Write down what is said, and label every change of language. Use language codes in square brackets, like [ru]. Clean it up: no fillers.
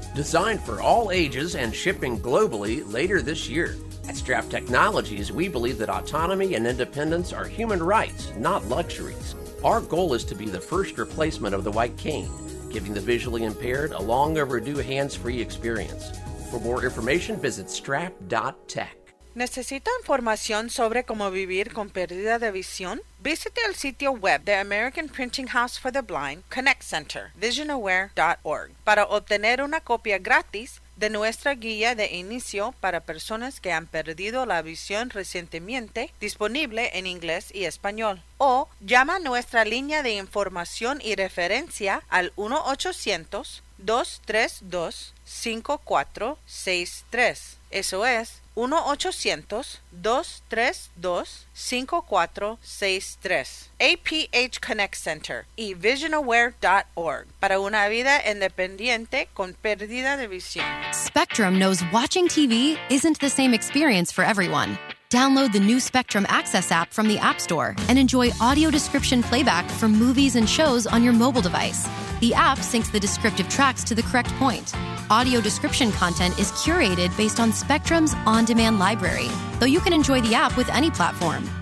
[en] Designed for all ages and shipping globally later this year. At Strap Technologies, we believe that autonomy and independence are human rights, not luxuries. Our goal is to be the first replacement of the white cane, giving the visually impaired a long overdue hands-free experience. For more information, visit strap.tech. [es] ¿Necesita información sobre cómo vivir con pérdida de visión? Visite el sitio web de American Printing House for the Blind, Connect Center, visionaware.org, para obtener una copia gratis de nuestra guía de inicio para personas que han perdido la visión recientemente, disponible en inglés y español. O llama a nuestra línea de información y referencia al 1-800-232-5463. Eso es 1-800-232-5463. APH Connect Center y visionaware.org para una vida independiente con pérdida de visión. [en] Spectrum knows watching TV isn't the same experience for everyone. Download the new Spectrum Access app from the App Store and enjoy audio description playback for movies and shows on your mobile device. The app syncs the descriptive tracks to the correct point. Audio description content is curated based on Spectrum's on-demand library, though you can enjoy the app with any platform.